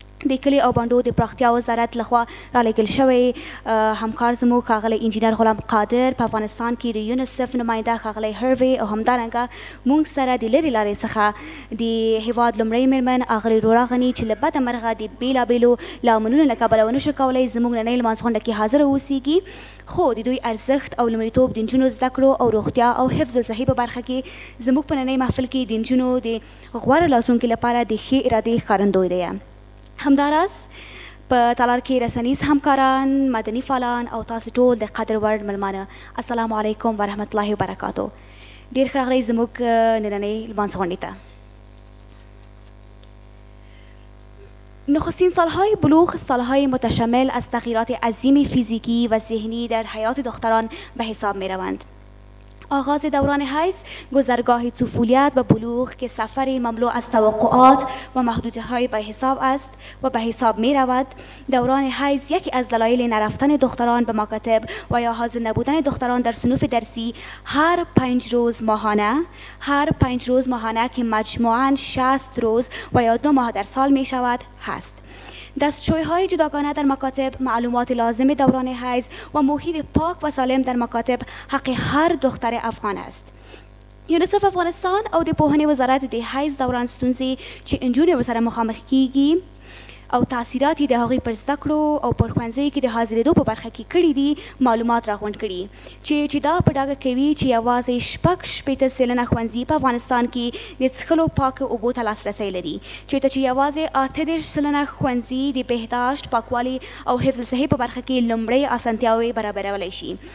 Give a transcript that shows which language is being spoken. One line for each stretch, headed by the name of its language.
Pashto: د کلي او بانډو د پراختیا وزارت لخوا رالیږل شوی همکار زموږ ښاغلی انجینر غلام قادر، په افغانستان کې د یونیسف نماینده ښاغلی هروی، او همدارنګه موږ سره د لرې لارې څخه د هیواد لومړۍ میرمن آغلی رورا غنی چې له بده مرغه د بېلابېلو لامنونو له کبله ونه شو کولی زموږ نننۍ لمانځ غونډه کې حاضر اوسیږي، خو د دوی ارزښت او لومړیتوب د نجونو زده کړو او روغتیا او حفظ الصحې په برخه کې زموږ په نننۍ محفل کې د نجونو د غوره راتلونکي لپاره د ښې ارادې ښکارندوی دی. همداراز په تالار کې رسنیز همکاران، مدني فعالان او تاسو ټول د قدر وړ مېلمانه، السلام علیکم ورحمت الله وبرکاتو. ډیر ښه راغلی زموږ نننۍ لمانځ غونډې ته.
Persian: نخستین سالهای بلوغ سالهای متشمل از تغییرات عظیم فیزیکی و ذهنی در حیات دختران به حساب می روند. آغاز دوران حیض، گذرگاه طفولیت و بلوغ که سفری مملو از توقعات و محدودیت‌های به حساب است و به حساب می رود. دوران حیض یکی از دلایل نرفتن دختران به مکاتب و یا حاضر نبودن دختران در صنوف درسی هر 5 روز ماهانه، هر 5 روز ماهانه که مجموعاً 60 روز و یا 2 ماه در سال می شود است. دستشوی های جداگانه در مکاتب، معلومات لازم دوران حیض و محیط پاک و سالم در مکاتب حق هر دختر افغان است.
Pashto: یونیسف افغانستان او د پوهنې وزارت د حیض دوران ستونزې چې انجونې ورسره مخامخ کیږي او تاثیراتی د هغوی پر زده کړو او پر ښوونځیو کې د حاضرېدو په برخه کې کړي دي معلومات راغونډ کړي، چې دا په ډاګه کوي چې یوازې 6.8% ښوونځي په افغانستان کې د څښلو پاکې اوبو ته لاسرسی لري، چېرته چې یوازې 38% ښوونځي د بهداشت، پاکوالي او حفظ الصحې په برخه کې لومړۍ اسانتیاوې برابرولی شي،